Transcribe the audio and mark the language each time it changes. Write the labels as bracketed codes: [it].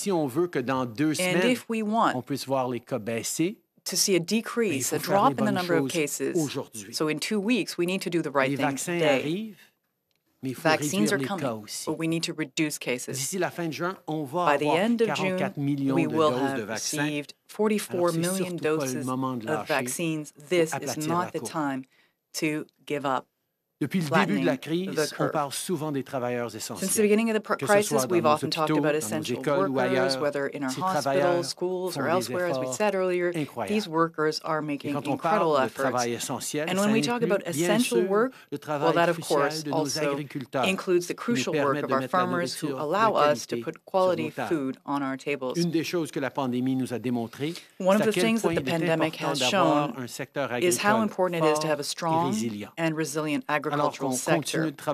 [en] And if we want to see a decrease, a drop in the number of cases, so in 2 weeks, we need to do the right thing today. Vaccines are coming, but we need to reduce cases. By the end of June, we will have received 44 million doses of vaccines. This is not the time to give up. [fr] Depuis le début de la crise, on parle souvent des travailleurs essentiels. [en] Since the beginning of the crisis, we've often talked about essential workers, whether in our hospitals, schools, or elsewhere, as we said earlier. These workers are making incredible efforts. And when we talk about essential work, well, that, of course, also includes the crucial work of our farmers who allow us to put quality food on our tables. [fr] Une des choses que la pandémie nous a démontré, [en] one of the things that the pandemic has shown is how important it is to have a strong and resilient agricultural sector.